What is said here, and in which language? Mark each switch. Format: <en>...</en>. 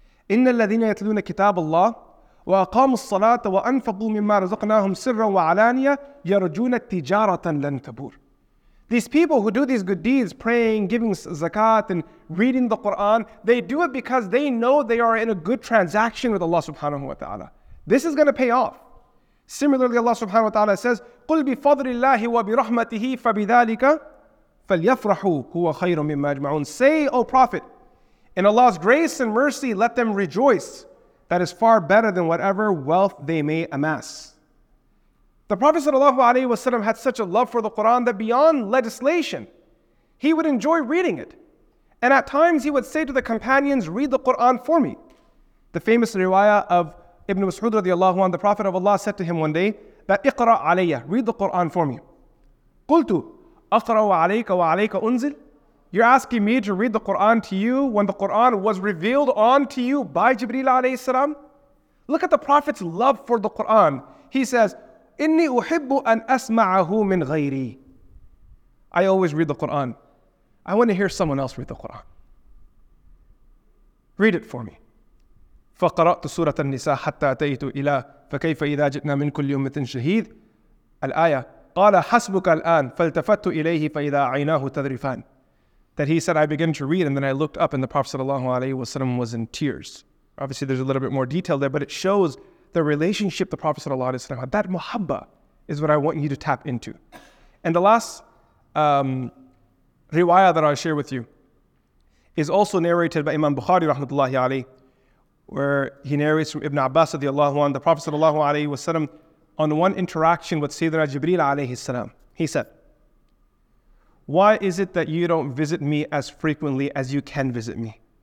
<ar>إِنَّ الَّذِينَ يَتْلُونَ كِتَابَ اللَّهِ وَأَقَامُوا الصَّلَاةَ وَأَنفَقُوا مِمَّا رَزَقْنَاهُمْ سِرًّا وَعَلَانِيَةً يَرْجُونَ تِجَارَةً لَنْ تَبُورٍ.</ar> <en>These people who do these good deeds, praying, giving zakat, and reading the Quran, they do it because they know they are in a good transaction with Allah subhanahu wa ta'ala. This is going to pay off. Similarly, Allah subhanahu wa ta'ala says,</en> <ar>قُلْ بِفَضْلِ اللَّهِ وَبِرَحْمَتِهِ فَبِذَلِكَ فَلْيَفْرَحُوا هُوَ خَيْرٌ مِمَّا يَجْمَعُونَ.</ar> <en>Say, O Prophet, in Allah's grace and mercy, let them rejoice. That is far better than whatever wealth they may amass. The Prophet sallallahu alayhi wa sallam had such a love for the Quran that beyond legislation, he would enjoy reading it. And at times he would say to the companions, read the Quran for me. The famous riwayah of Ibn Mas'ud radiallahu anhu, the Prophet of Allah said to him one day, that</en> <ar>iqra alayya,</ar> <en>read the Quran for me.</en> <ar>Qultu, aqra wa alayka wa alayka unzil.</ar> <en>You're asking me to read the Quran to you when the Quran was revealed onto you by Jibreel alayhi salam? Look at the Prophet's love for the Quran. He says,</en> <ar>إني أحب أن أسمعه من غيري.</ar> <en>I always read the Quran. I want to hear someone else read the Quran. Read it for me.</en> <ar>فقرأت سورة النساء حتى أتيت إلى فكيف إذا جئنا من كل أمة شهيد. الآية قال حسبك الآن فالتفت إليه فإذا عيناه تذرفان.</ar> <en>That he said, I began to read and then I looked up and the Prophet sallallahu alayhi wasallam was in tears. Obviously there's a little bit more detail there, but it shows the relationship the Prophet sallallahu alayhi wa sallam had, that muhabba is what I want you to tap into. And the last riwayah that I'll share with you is also narrated by Imam Bukhari rahmatullahi alayhi, where he narrates from Ibn Abbas radiallahu anhu, the Prophet sallallahu alayhi wa sallam, on one interaction with Sayyidina Jibreel alayhi salam, he said, why is it that you don't visit me as frequently as you can visit me?</en>